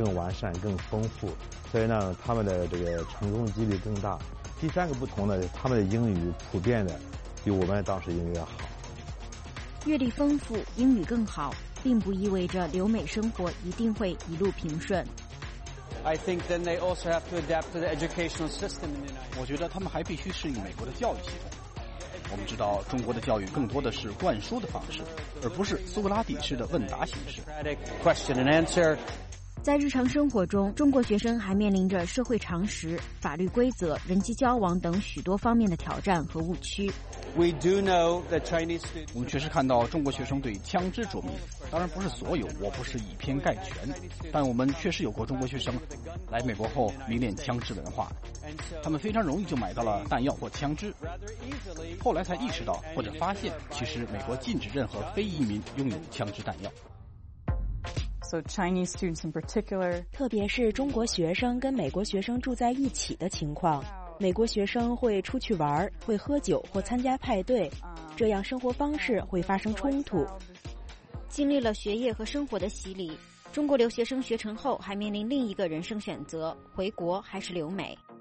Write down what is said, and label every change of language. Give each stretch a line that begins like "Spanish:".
Chinese: 更完善、更丰富，所以呢，他们的这个成功几率更大。第三个不同呢，他们的英语普遍的比我们当时英语要好。阅历丰富，英语更好，并不意味着留美生活一定会一路平顺。
English: I think then they also have to adapt to the educational system in the United States.
Chinese: 我觉得他们还必须适应美国的教育系统。我们知道中国的教育更多的是灌输的方式，而不是苏格拉底式的问答形式。
English: Question and answer.
Chinese: 在日常生活中，中国学生还面临着社会常识、法律规则、人际交往等许多方面的挑战和误区。
English: We do know that Chinese students.
Chinese: 我们确实看到中国学生对枪支着迷，当然不是所有，我不是以偏概全，但我们确实有过中国学生来美国后迷恋枪支文化，他们非常容易就买到了弹药或枪支，后来才意识到或者发现，其实美国禁止任何非移民拥有枪支弹药。
English: So Chinese students in particular,
Chinese: 特别是中国学生跟美国学生住在一起的情况，美国学生会出去玩，会喝酒或参加派对，这样生活方式会发生冲突。经历了学业和生活的洗礼，中国留学生学成后还面临另一个人生选择，回国还是留美。